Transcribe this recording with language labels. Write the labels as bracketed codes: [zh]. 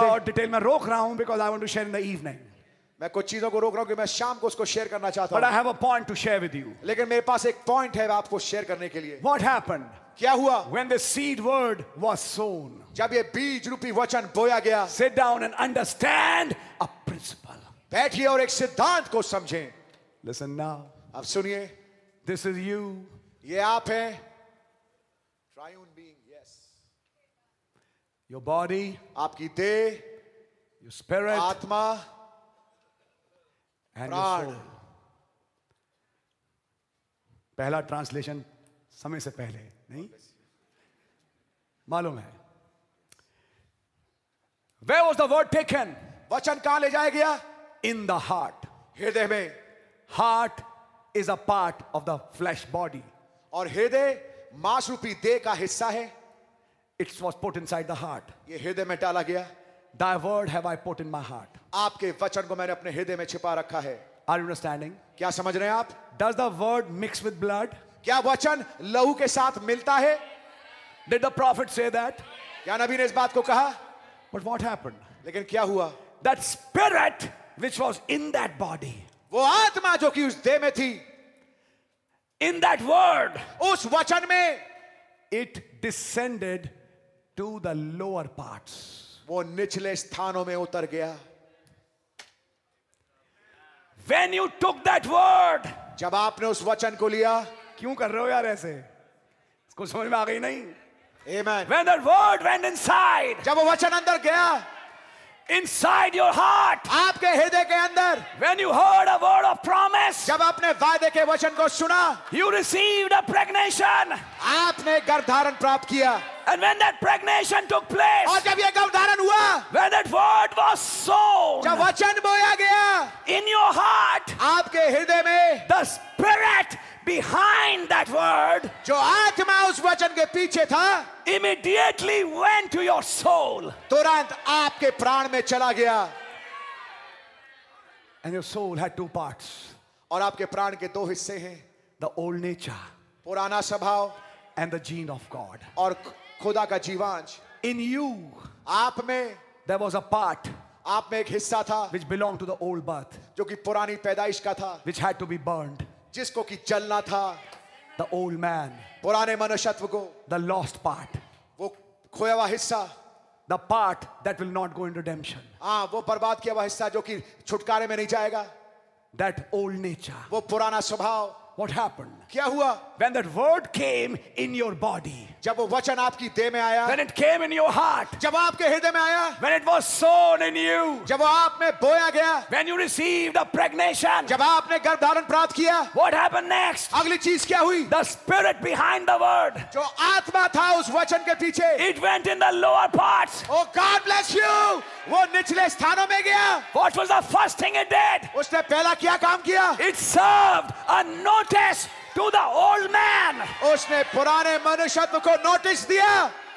[hi] थोड़ा और डिटेल में रोक रहा हूं [en] because I want to share in the evening. [hi] मैं कुछ चीजों को रोक रहा हूं कि मैं शाम को उसको शेयर करना चाहता हूं। [en] But I have a point to share with you. [hi] लेकिन मेरे पास एक पॉइंट है आपको शेयर करने के लिए। [en] What happened? [hi] क्या हुआ? [en] When the seed word was sown. [hi] जब ये बीज रूपी वचन बोया गया। [en] Sit down and understand a principle. [hi] बैठिए और एक सिद्धांत को समझें। [en] Listen now. [hi] अब सुनिए। [en] This is you. [hi] ये आप हैं। [en] Triune being, yes. Your body. [hi] आपकी देह। [en] Your spirit. [hi] आत्मा। [en] And your soul. [hi] पहला ट्रांसलेशन समय से पहले नहीं मालूम है. [en] Where was the word taken? [hi] वचन कहां ले जाया गया? [en] In the heart. [hi] हृदय में. [en] Heart is a part of the flesh body. [hi] और हृदय मांस रूपी देह का हिस्सा है. [en] It was put inside the heart. [hi] ये हृदय में डाला गया. [en] Thy word have I put in my heart. [hi] आपके वचन को मैंने अपने हृदय में छिपा रखा है. [en] Are you understanding? [hi] क्या समझ रहे हैं आप? [en] Does the word mix with blood? [hi] क्या वचन लहू के साथ मिलता है? [en] Did the prophet say that? [hi] क्या नबी ने इस बात को कहा? [en] But what happened? [hi] लेकिन क्या हुआ? [en] That spirit which was in that body. [hi] वो आत्मा जो कि उस देह में थी. [en] In that word. [hi] उस वचन में. [en] It descended to the lower parts. [hi] वो निचले स्थानों में उतर गया. [en] When you took that word, [hi] जब आपने उस वचन को लिया. क्यों कर रहे हो यार ऐसे? इसको समझ में आ गई नहीं? [en] Amen. When that word went inside, [hi] जब वो वचन अंदर गया. [en] Inside your heart, [hi] आपके हृदय के अंदर. [en] When you heard a word of promise, [hi] जब आपने वादे के वचन को सुना. [en] You received a pregnancy, [hi] आपने गर्भधारण प्राप्त किया. [en] And when that pregnancy took place, [hi] और जब ये गर्भधारण हुआ. [en] When that word was sown, [hi] जब वचन बोया गया. [en] In your heart, [hi] आपके हृदय में. [en] The spirit behind that word, [hi] जो आत्मा उस वचन के पीछे था. [en] Immediately went to your soul. [hi] तुरंत आपके प्राण में चला गया. [en] And your soul had two parts. [hi] और आपके प्राण के दो हिस्से हैं. [en] The old nature, [hi] पुराना स्वभाव. [en] And the gene of God, [hi] और खुदा का जीवांश. [en] In you, [hi] आप में. [en] There was a part, [hi] आप में एक हिस्सा था. [en] Which belonged to the old birth, [hi] जो कि पुरानी पैदाइश का था. [en] Which had to be burned, [hi] जिसको कि चलना था. [en] The old man, [hi] पुराने मनुष्यत्व को. [en] The lost part, [hi] वो खोया हुआ हिस्सा. [en] The part that will not go in redemption, [hi] वो बर्बाद किया हुआ हिस्सा जो कि छुटकारे में नहीं जाएगा. [en] That old nature, [hi] वो पुराना स्वभाव. [en] What happened? [hi] क्या हुआ? [en] When that word came in your body, [hi] जब वो वचन आपकी देह में आया. [en] When it came in your heart, [hi] जब आपके हृदय में आया. [en] When it was sown in you, [hi] जब वो आप में बोया गया. [en] When you received a pregnancy, [hi] जब आपने गर्भधारण प्राप्त किया. [en] What happened next? [hi] अगली चीज क्या हुई? [en] The spirit behind the word, [hi] जो आत्मा था उस वचन के पीछे. [en] It went in the lower parts. Oh God bless you. [hi] वो निचले स्थानों में गया. [en] What was the first thing it did? [hi] उसने पहला क्या काम किया? [en] It served a notice to the old man. [hi] उसने पुराने मनुष्यत्व को नोटिस दिया.